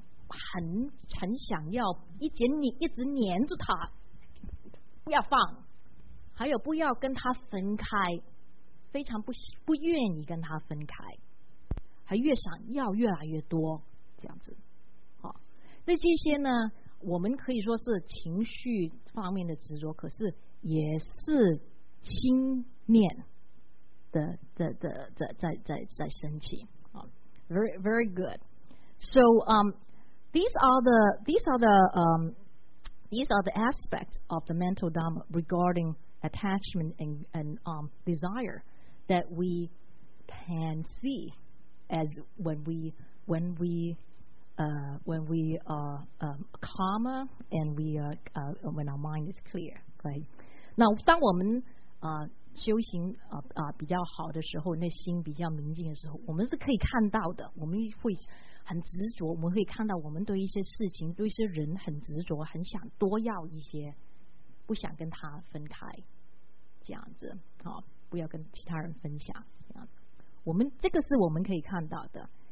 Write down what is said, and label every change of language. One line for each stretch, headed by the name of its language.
Chinese: 很想要一直黏住他，不要放，还有不要跟他分开，非常不愿意跟他分开，还越想要越来越多这样子。好，那这些呢，我们可以说是情绪方面的执着，可是也是心念的在升起。好，
English: very very good. So These are the aspects of the mental dharma regarding attachment and desire that we can see as when we are calmer and when our mind is clear, right?
Chinese: 那当我们修行比较好的时候，那心比较明净的时候，我们是可以看到的，我们会很执着，我们可以看到我们对一些事情、对一些人很执着，很想多要一些，不想跟他分开，这样子，好，不要跟其他人分享，这样，我们这个是我们可以看到的。